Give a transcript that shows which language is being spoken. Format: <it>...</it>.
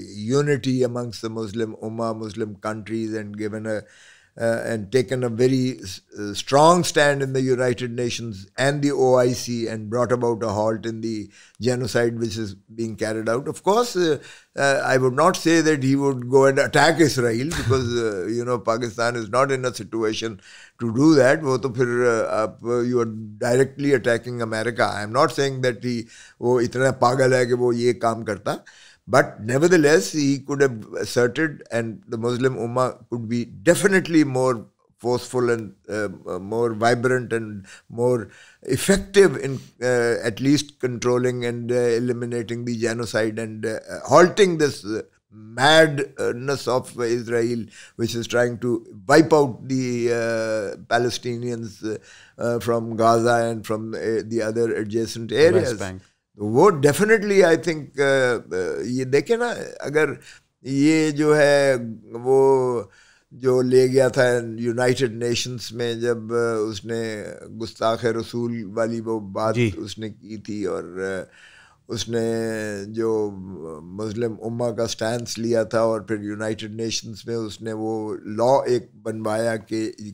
<en>unity amongst the Muslim Ummah, Muslim countries, and given a and taken a very strong stand in the United Nations and the OIC and brought about a halt in the genocide which is being carried out. Of course I would not say that he would go and attack Israel because you know Pakistan is not in a situation to do that.</en> <ur>Wo to phir</ur> <en>you are directly attacking America. I am not saying that he</en> <ur>wo itna pagal hai ki wo ye kaam karta,</ur> <en>but nevertheless he could have asserted, and the Muslim Ummah could be definitely more forceful and more vibrant and more effective in at least controlling and eliminating the genocide and halting this madness of Israel which is trying to wipe out the Palestinians from Gaza and from the other adjacent areas. West Bank.</en> <ur>وہ definitely I think یہ دیکھیں نا, اگر یہ جو ہے وہ جو لے گیا تھا یونائیٹڈ نیشنز میں جب اس نے گستاخ رسول والی وہ بات جی اس نے کی تھی, اور اس نے جو مسلم امہ کا سٹانس لیا تھا, اور پھر یونائیٹڈ نیشنز میں اس نے وہ لا ایک بنوایا کہ</ur>